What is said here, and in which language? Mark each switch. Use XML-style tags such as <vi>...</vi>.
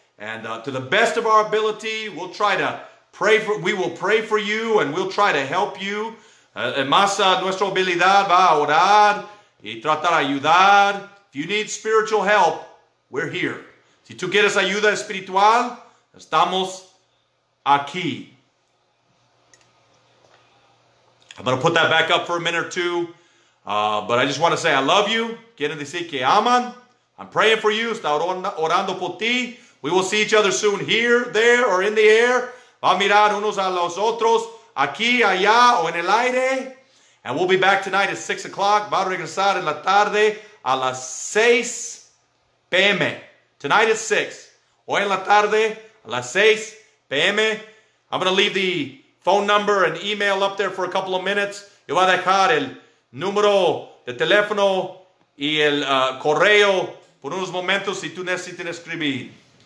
<en>And to the best of our ability, we'll try to pray for. We will pray for you, and we'll try to help you.</en> <es>En más a nuestra habilidad, va a orar y tratar de ayudar.</es> <en>If you need spiritual help, we're here.</en> <es>Si tú quieres ayuda espiritual, estamos aquí.</es> <en>I'm going to put that back up for a minute or two. But I just want to say I love you.</en> <es>Quieren decir que aman.</es> <en>I'm praying for you.</en> <es>Está orando por ti.</es> <en>We will see each other soon here, there, or in the air.</en> <es>Va a mirar unos a los otros aquí, allá, o en el aire.</es> <en>And we'll be back tonight at 6 o'clock.</en> <es>Va a regresar en la tarde a las 6 p.m.</es> <en>Tonight at 6.</en> <es>Hoy en la tarde a las 6 p.m.</es> <en>I'm going to leave the phone number and email up there for a couple of minutes.</en> <es>Yo voy a dejar el número de teléfono y el correo por unos momentos si tú necesitas escribir.</es>